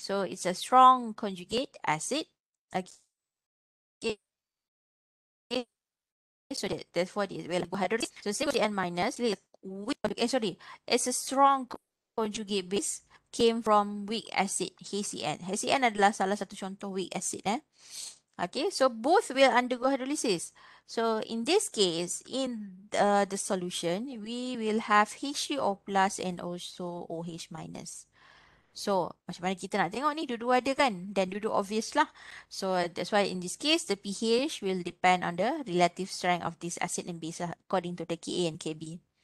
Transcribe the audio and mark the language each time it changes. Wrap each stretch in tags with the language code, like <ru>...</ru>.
<en>So it's a strong conjugate acid. Okay. So therefore it will hydrolyze. So same with CN minus. It's a strong conjugate base came from weak acid, HCN.</en> <ms>HCN adalah salah satu contoh weak acid.</ms> <en>Eh? Okay, so both will undergo hydrolysis. So in this case, in the solution, we will have HCO plus and also OH minus.</en> <ms>So, macam mana kita nak tengok ni, dua-dua ada kan? Dan dua-dua obvious lah.</ms> <en>So, that's why in this case, the pH will depend on the relative strength of this acid and base according to the Ka and Kb.</en>